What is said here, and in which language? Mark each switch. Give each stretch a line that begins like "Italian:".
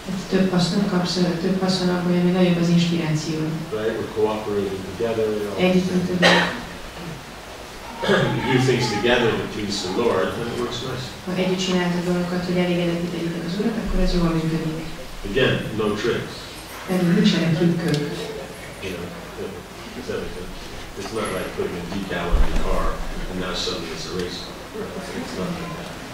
Hungarian: Több hasznot kapsz, több haszon abban jön, hogy nagyobb az inspiráció.
English: Right, we're cooperating together.
Hungarian: Együttműködünk.
English: You do things together to please the Lord, then it works nice.
Hungarian: Ha együtt csináltad dolgokat, hogy elégedettek az Urat, akkor ez jól működik.
English: Again, no tricks.
Hungarian: Pedig nincsenek trükkök.
English: You know, it's not like putting a decal on your car, and now suddenly it's a race. It's not like that.